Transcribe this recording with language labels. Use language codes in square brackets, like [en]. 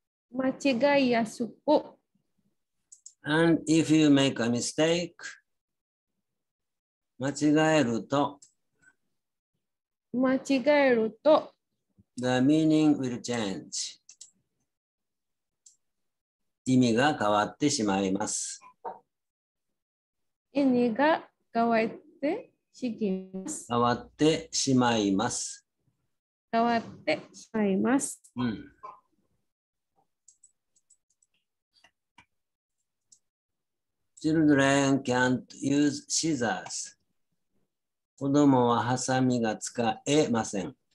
[ja] 間違いやすく。 [en] And if you make a mistake, [ja] 間違えると。間違えると、 [en] The meaning will change. [ja] 意味が変わってしまいます。意味が変わってしまいます。変わってしまいます。変わってしまいます。うん。 [en] Children can't use scissors. [ja] 子供はハサミが使えません。